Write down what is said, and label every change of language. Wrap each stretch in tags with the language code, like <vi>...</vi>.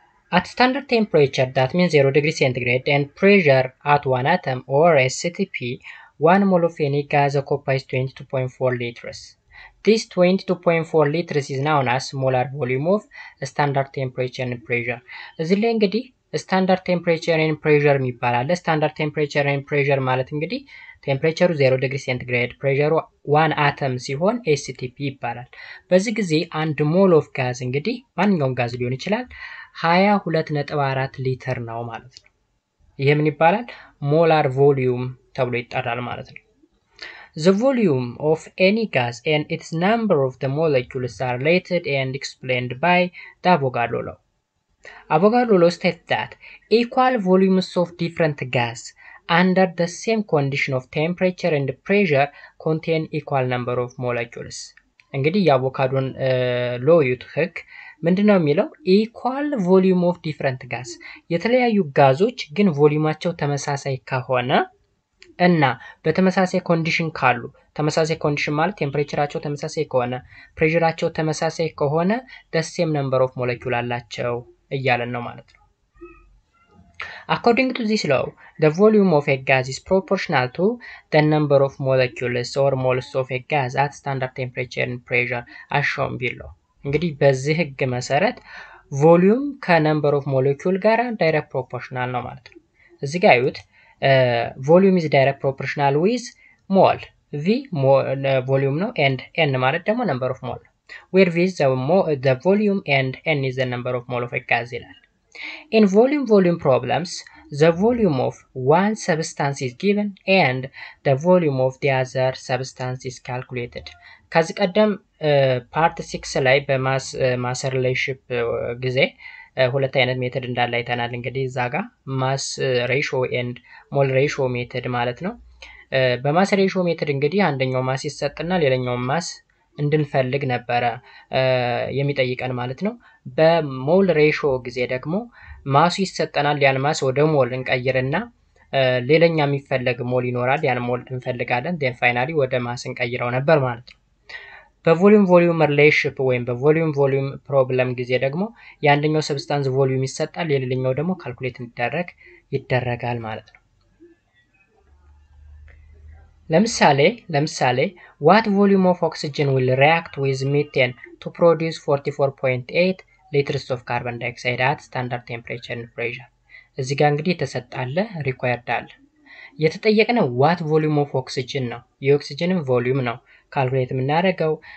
<en>At standard temperature, that means 0 degree centigrade, and pressure at 1 atom or SCTP, 1 mole of any gas occupies 22.4 liters. This 22.4 liters is known as molar volume of standard temperature and pressure.</en> <am>እዚ ላይ እንግዲህ</am> <en>standard temperature and pressure</en> <am>የሚባል አለ. Standard temperature and pressure ማለት እንግዲህ temperature 0 degree centigrade, pressure 1 atom ሲሆን STP ይባላል. በዚህ ጊዜ 1 mole of gas እንግዲህ ማንኛውም gas ሊሆን ይችላል 22.4 liter ነው ማለት ነው. ይሄ ምን ይባላል? Molar volume ተብሎ ይጠራል ማለት ነው.</am> <en>The volume of any gas and its number of the molecules are related and explained by the Avogadro law. Avogadro law states that equal volumes of different gas under the same condition of temperature and pressure contain equal number of molecules.</en> <am>እንግዲህ የአቮካዶ law ይትክክ ምንድነው የሚለው?</am> <en>Equal volume of different gas.</en> <am>የተለያዩ ጋዞች ግን ቮሊዩማቸው ተመሳሳይ ከሆነ እና በተመሳሳይ ኮንዲሽን ካሉ ተመሳሳይ ኮንዲሽን ማለት ቴምፕሬቸራቸው ተመሳሳይ ከሆነ ፕሬሸራቸው ተመሳሳይ ከሆነ</am> <en>the same number of molecules</en> <am>አላቸው እያለን ነው ማለት ነው.</am> <en>According to this law, the volume of a gas is proportional to the number of molecules or moles of a gas at standard temperature and pressure as shown below.</en> <am>እንግዲህ በዚህ ህግ መሰረት volume ከnumber of molecule ጋር direct proportional ነው ማለት ነው. እዚህ ጋር ይውት</am> <en>volume is direct proportional with mole. V mole volume no and n</en> <am>ማለት ደግሞ</am> <en>number of mole. Where V is the volume and n is the number of mole of a gas</en> <am>ይላል.</am> <en>In volume problems, the volume of one substance is given and the volume of the other substance is calculated.</en> <am>ከዚህ ቀደም part 6 ላይ በmass relationship ጊዜ ሁለት አይነት ሜተድ እንዳለ አይተናል. እንግዲህ ዛጋ mass ratio and mole ratio ሜተድ ማለት ነው. በmass ratio ሜተድ እንግዲህ አንደኛው mass ይሰጥና ሌላኛው mass እንድንፈልግ ነበር የሚጠይቀን ማለት ነው. በmole ratio ጊዜ ደግሞ mass ይሰጥናል, ያን mass ወደ mole እንቀይርና ሌላኛ የሚፈልግ mole ይኖራል, ያን mole እንፈልጋለን.</am> <en>then finally</en> <am>ወደ mass እንቀይረው ነበር ማለት ነው. በvolume volume relationship ወይም በvolume volume problem ጊዜ ደግሞ ያንደኛው substance volume ይሰጣል, ሌላኛው ደግሞ calculate ይደረጋል ማለት ነው.</am> <en>ለምሳሌ what volume of oxygen will react with methane to produce 44.8 liters of carbon dioxide at standard temperature and pressure?</en> <am>እዚህ ጋር እንግዲህ ተሰጣለ required አለ. የተጠየቀነው</am> <en>what volume of oxygen</en> <am>ነው, የኦክሲጅንም volume ነው ካልኩሌት ምናረጋው.</am>